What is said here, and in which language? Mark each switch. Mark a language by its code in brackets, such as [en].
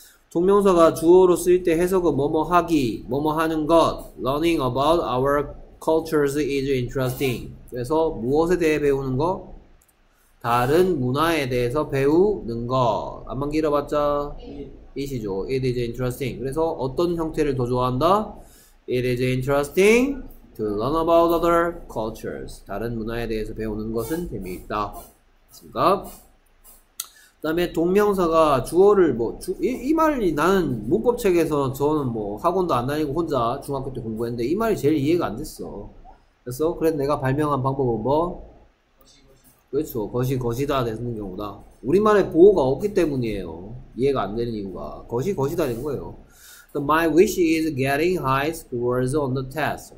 [ko] 동명사가 주어로 쓰일 때 해석은 뭐뭐 하기, 뭐뭐 하는 것, [en] learning about our cultures is interesting. [ko] 그래서 무엇에 대해 배우는 거? 다른 문화에 대해서 배우는 거. 안만 길어봤자 it이죠. [en] It is interesting. [ko] 그래서 어떤 형태를 더 좋아한다? [en] It is interesting to learn about other cultures. [ko] 다른 문화에 대해서 배우는 것은 재미있다. 맞습니까? 그 다음에 동명사가 주어를 이 말이 나는 문법책에서 저는 뭐 학원도 안 다니고 혼자 중학교 때 공부했는데 이 말이 제일 이해가 안 됐어. 그래서 그래서 내가 발명한 방법은 뭐? 그렇죠. 것이 것이다 되는 경우다. 우리말에 보호가 없기 때문이에요. 이해가 안 되는 이유가 것이 것이다 되는 거예요. [en] So my wish is getting high scores on the test.